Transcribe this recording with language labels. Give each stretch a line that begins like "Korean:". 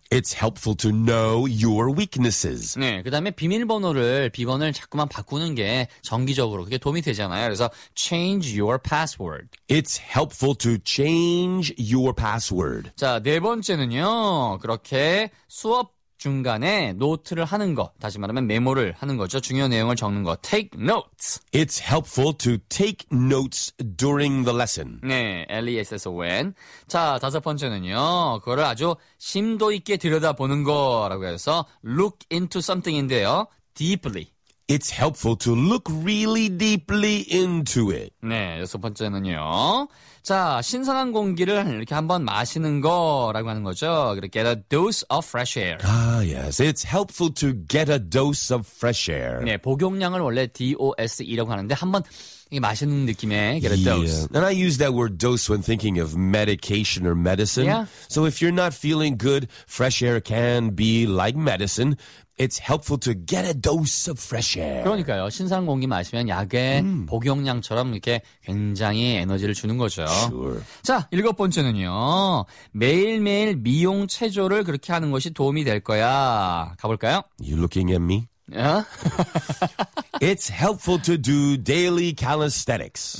English: It's helpful to know your weaknesses.
Korean: 네, 그 다음에 비밀번호를 비번을 자꾸만 바꾸는 게 정기적으로 그게 도움이 되잖아요. 그래서
English: change your password. It's helpful to change your password.
Korean: 자, 네 번째는요. 그렇게 수업 중간에 노트를 하는 거. 다시 말하면 메모를 하는 거죠. 중요한 내용을 적는 거.
English: Take notes. It's helpful to take notes during the lesson.
Korean: 네, LESSON. 자, 다섯 번째는요. 그거를 아주 심도 있게 들여다보는 거라고 해서
English: look into something
Korean: 인데요.
English: Deeply. It's helpful to look really deeply into it.
Korean: 네, 여섯 번째는요. 자, 신선한 공기를 이렇게 한번 마시는 거라고 하는 거죠.
English: Get a dose of fresh air. Ah, yes. It's helpful to get a dose of fresh air.
Korean: 네, 복용량을 원래 DOSE라고 하는데 한번 이게 마시는 느낌의
English: get a dose. Yeah. And I use that word dose when thinking of medication or medicine. Yeah. So if you're not feeling good, fresh air can be like medicine. It's helpful to get a dose of fresh air.
Korean: 그러니까요. 신선한 공기 마시면 약의 복용량처럼 이렇게 굉장히 에너지를 주는 거죠.
English: Sure.
Korean: 자, 일곱 번째는요. 매일매일 미용 체조를 그렇게 하는 것이 도움이 될 거야. 가볼까요?
English: You looking at me? It's helpful to do daily calisthenics.